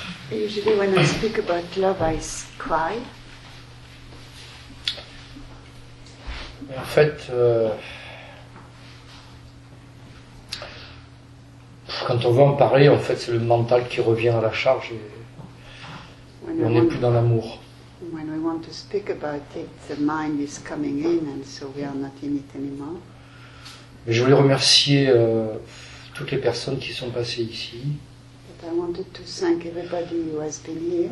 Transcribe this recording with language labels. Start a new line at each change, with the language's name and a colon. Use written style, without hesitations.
English: Usually, when I speak about love, I cry.
French: Mais en fait, quand on veut en parler, en fait, c'est le mental qui revient à la charge et on n'est plus dans l'amour.
English: When we want to speak about it, the mind is coming in, and so we are not in it anymore.
French: Mais je voulais remercier. Toutes les personnes qui sont passées ici.
English: But I wanted to thank everybody who has been here.